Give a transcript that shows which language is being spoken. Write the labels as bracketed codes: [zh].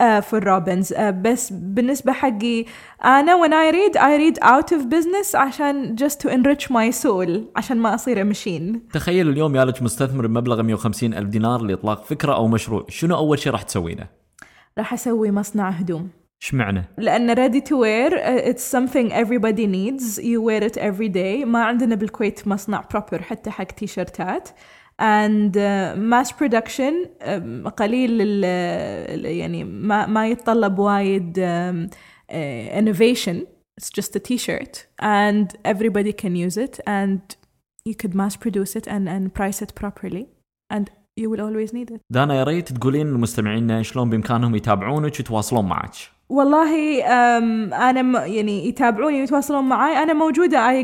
[en] For Robbins. [ar] بس بالنسبة حقي أنا [en] when I read out of business [ar] عشان [en] just to enrich my soul, [ar] عشان ما أصير مشين. تخيل اليوم يالك مستثمر بمبلغ 150,000 دينار لإطلاق فكرة أو مشروع, شنو أول شيء راح تسوينه؟ راح أسوي مصنع هدوم. إيش معنى؟ لأن [en] ready to wear it's something everybody needs. You wear it every day. [ar] ما عندنا بالكويت مصنع proper حتى حق تيشرتات. [en] And mass production [ar] قليل, يعني ما يتطلب وايد innovation. [en] It's just a t-shirt and everybody can use it and you could mass produce it and price it properly and you will always need it. [ar] دانا يا ريت تقولين للمستمعين شلون بإمكانهم يتابعونك ويتواصلون معك. والله أنا يعني يتابعوني ويتواصلون معي, أنا موجودة.